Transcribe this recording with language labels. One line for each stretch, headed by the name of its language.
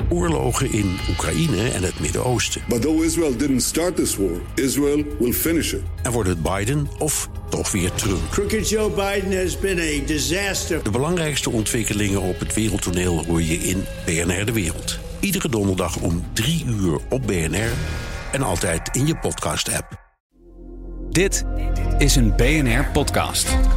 Dutch: oorlogen in Oekraïne en het Midden-Oosten.
English: But though Israel didn't start this war, Israel will finish it.
Dutch: En wordt het Biden of toch weer Trump?
English: Crooked Joe Biden has been a disaster.
Dutch: De belangrijkste ontwikkelingen op het wereldtoneel hoor je in BNR De Wereld. Iedere donderdag om 3 uur op BNR en altijd in je podcast-app. Dit is een BNR-podcast.